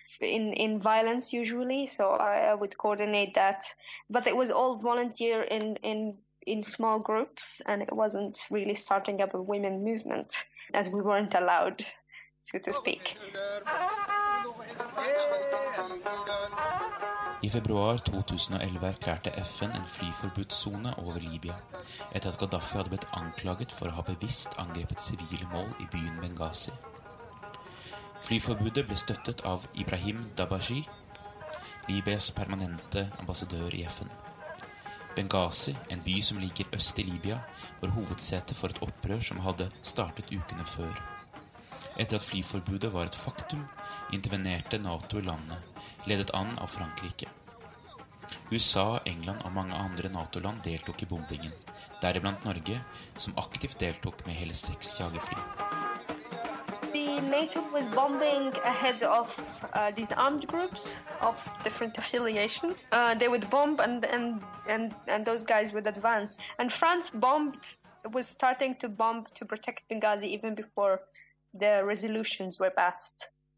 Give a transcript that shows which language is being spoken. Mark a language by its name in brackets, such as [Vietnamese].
[English] In violence usually, so I would coordinate that, but it was all volunteer in small groups, and it wasn't really starting up a women movement, as we weren't allowed to speak. [Norwegian] I februar 2011 erklærte FN en flyforbudssone over Libya, etter at Gaddafi hadde blitt anklaget for å ha bevisst angrepet sivile mål I byen Benghazi. Flyforbudet ble støttet av Ibrahim Dabashi, Libyas permanente ambassadør I FN. Benghazi, en by som ligger øst I Libya, var hovedsete for et opprør som hadde startet ukene før. Etter at flyforbudet var et faktum, intervenerte NATO I landet, ledet an av Frankrike. USA, England og mange andre NATO-land deltok I bombingen, deriblant Norge, som aktivt deltok med hele 6 jagerfly. [English] NATO was bombing ahead of these armed groups of different affiliations. They would bomb and those guys would advance. And France was starting to bomb to protect Benghazi even before the resolutions were passed.